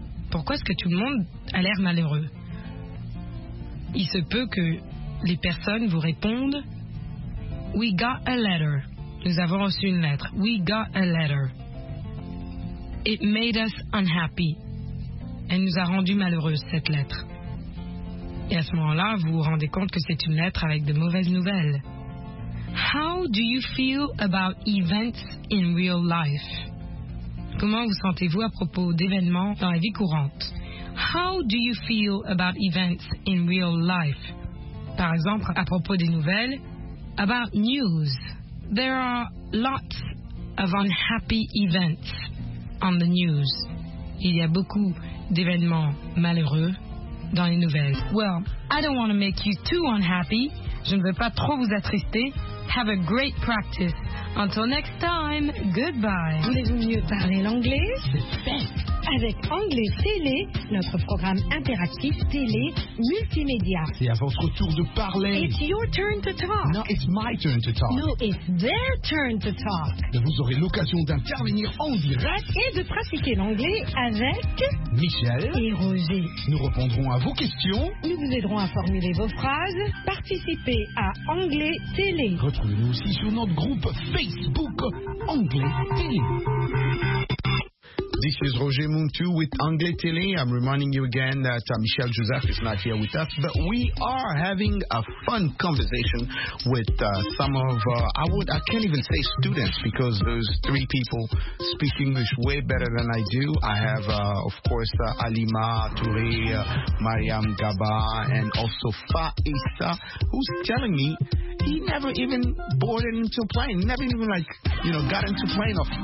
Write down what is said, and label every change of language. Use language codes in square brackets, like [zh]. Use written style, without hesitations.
[fr] Pourquoi est-ce que tout le monde a l'air malheureux? Il se peut que les personnes vous répondent, [en] We got a letter. [fr] Nous avons reçu une lettre. [en] We got a letter. It made us unhappy. [fr] Elle nous a rendu malheureuse, cette lettre. Et à ce moment-là, vous vous rendez compte que c'est une lettre avec de mauvaises nouvelles. [en] How do you feel about events in real life? [fr] Comment vous sentez-vous à propos d'événements dans la vie courante? [en] How do you feel about events in real life? [fr] Par exemple, à propos des nouvelles, [en] about news. There are lots of unhappy events on the news. [fr] Il y a beaucoup d'événements malheureux dans les nouvelles. [en] Well, I don't want to make you too unhappy. [fr] Je ne veux pas trop vous attrister. [en] Have a great practice. Until next time, goodbye. [fr] Voulez-vous mieux parler l'anglais? Avec Anglais Télé, notre programme interactif télé multimédia. C'est à votre tour de parler. [en] It's your turn to talk. No, it's my turn to talk. No, it's their turn to talk. [fr] Et vous aurez l'occasion d'intervenir en direct. Et de pratiquer l'anglais avec... Michel. Et Roger. Nous répondrons à vos questions. Nous vous aiderons à formuler vos phrases. Participez à Anglais Télé. Retrouvez-nous aussi sur notre groupe Facebook Anglais Télé. [en] This is Roger Muntou with Anglais Télé. I'm reminding you again that Michel Joseph is not here with us, but we are having a fun conversation with some of I can't even say students, because those three people speak English way better than I do. I have, of course, Alima Touré, Mariam Gaba, and also Faïssa, who's telling me he never even boarded into a plane, never even, like, you know, got into a plane.